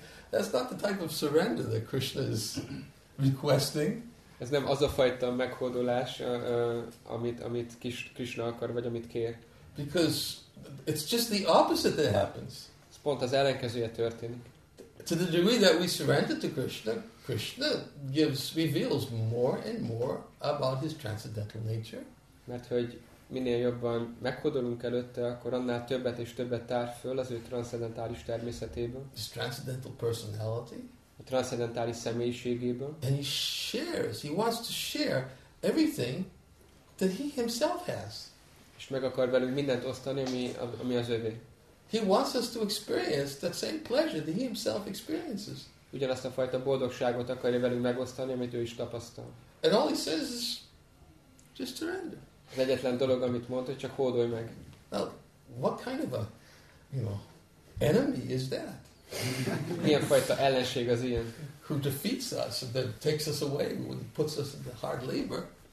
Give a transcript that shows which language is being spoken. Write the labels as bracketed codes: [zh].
[en] That's not the type of surrender that Krishna is requesting. [hu] Ez nem az a fajta meghódolás, amit Krishna akar, vagy amit kér. [en] Because it's just the opposite that happens. [hu] Ez pont az ellenkezője történik. [en] To the degree that we surrender to Krishna, Krishna reveals more and more about his transcendental nature. [hu] Mert hogy minél jobban meghódolunk előtte, akkor annál többet és többet tár föl az ő transzcendentális természetéből. [en] His transcendental personality. [hu] A transzcendentális személyiségéből. [en] And he shares, he wants to share everything that he himself has. [hu] És meg akar velünk mindent osztani, ami az övé. [en] He wants us to experience that same pleasure that he himself experiences. [hu] Ugyanazt a fajta boldogságot akarja velünk megosztani, amit ő is tapasztal. [en] And all he says is, just surrender. [hu] Az egyetlen dolog, amit mondta, csak hódolj meg. [en] Well, what kind of a, you know, enemy is that? [hu] Milyen fajta ellenség az ilyen? [en] Who defeats us, that takes us away, and puts us into hard labor.